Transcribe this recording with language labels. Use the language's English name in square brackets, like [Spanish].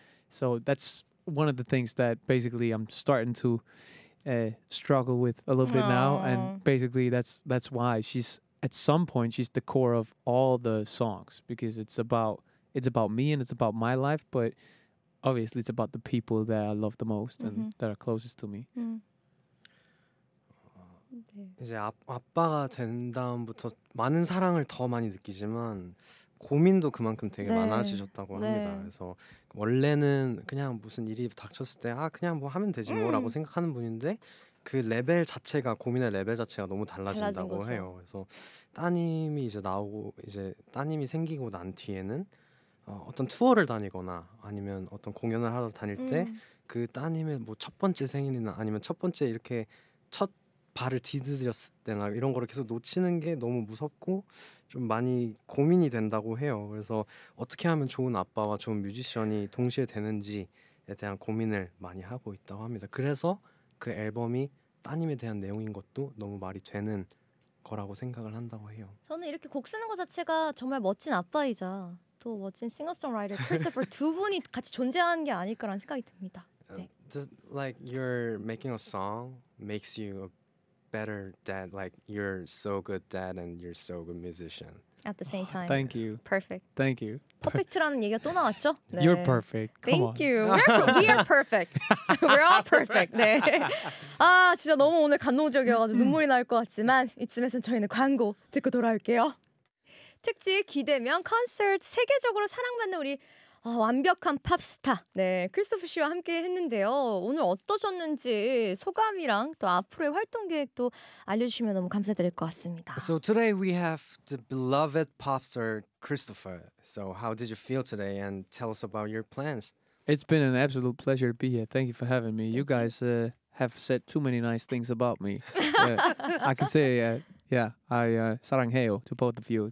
[English] So that's one of the things that basically I'm starting to struggle with a little bit now, and basically that's why she's at some point she's the core of all the songs because it's about me and it's about my life, but. Obviously, it's about the people that I love the most and mm-hmm. that are closest to me. Mm. [Korean] 이제 아빠가 된 다음부터 많은 사랑을 더 많이 느끼지만 고민도 그만큼 되게 네. 많아지셨다고 합니다. 네. 그래서 원래는 그냥 무슨 일이 닥쳤을 때 그냥 뭐 하면 되지 뭐라고 생각하는 분인데 그 레벨 자체가 고민의 레벨 자체가 너무 달라진다고 해요. 그래서 따님이 이제 나오고 이제 따님이 생기고 난 뒤에는. 어떤 투어를 다니거나 아니면 어떤 공연을 하러 다닐 때 그 따님의 뭐 첫 번째 생일이나 아니면 첫 번째 이렇게 첫 발을 디디렸을 때나 이런 거를 계속 놓치는 게 너무 무섭고 좀 많이 고민이 된다고 해요. 그래서 어떻게 하면 좋은 아빠와 좋은 뮤지션이 동시에 되는지에 대한 고민을 많이 하고 있다고 합니다. 그래서 그 앨범이 따님에 대한 내용인 것도 너무 말이 되는 거라고 생각을 한다고 해요. 저는 이렇게 곡 쓰는 거 자체가 정말 멋진 아빠이자 또 멋진 싱어송라이터 크리스토퍼 두 분이 같이 존재하는 게 아닐까라는 생각이 듭니다. 네. [English] Like you're making a song makes you a better dad. Like you're so good dad and you're so good musician. At the same time. Thank you. Perfect. Thank you. [Korean] Perfect라는 얘기가 또 나왔죠? 네. [English] You're perfect. Come Thank on. you. We are perfect. We're all perfect. [Korean] 네. 아 진짜 너무 오늘 감동적이어서 눈물이 날 것 같지만 이쯤에서 저희는 광고 듣고 돌아올게요. 특집 기대면 콘서트 세계적으로 사랑받는 우리 완벽한 팝스타 네 크리스토퍼 씨와 함께 했는데요. 오늘 어떠셨는지 소감이랑 또 앞으로의 활동 계획도 알려주시면 너무 감사드릴 것 같습니다. [English] So today we have the beloved pop star Christopher. So how did you feel today and tell us about your plans? It's been an absolute pleasure to be here. Thank you for having me. You guys have said too many nice things about me. I can say Yeah, I [Korean] 사랑해요 [English] to both of you.